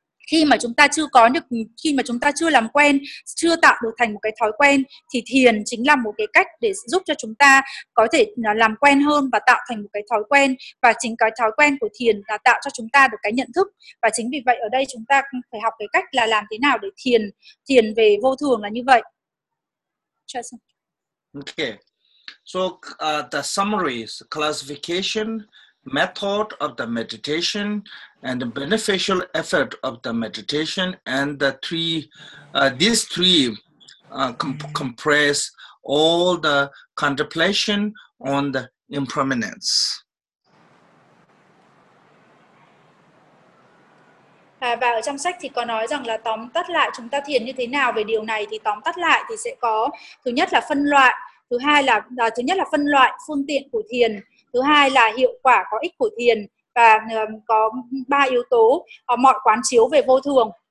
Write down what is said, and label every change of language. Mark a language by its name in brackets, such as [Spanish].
[Vietnamese] Khi mà chúng ta chưa làm quen, chưa tạo được thành một cái thói quen thì thiền chính là một cái cách để giúp cho chúng ta có thể làm quen hơn và tạo thành một cái thói quen. Và chính cái thói quen của thiền là tạo cho chúng ta được cái nhận thức. Và chính vì vậy ở đây chúng ta phải học cái cách là làm thế nào để thiền về vô thường là như vậy. [English] Okay. So the summary is classification, method of the meditation, and the beneficial effect of the meditation, and the three, these three compress all the contemplation on the impermanence. [Vietnamese] Và ở trong sách thì có nói rằng là tóm tắt lại chúng ta thiền như thế nào về điều này, thì tóm tắt lại thì sẽ có thứ nhất là phân loại, thứ nhất là phân loại phương tiện của thiền, thứ hai là hiệu quả có ích của thiền, và có ba yếu tố mọi quán chiếu về vô thường.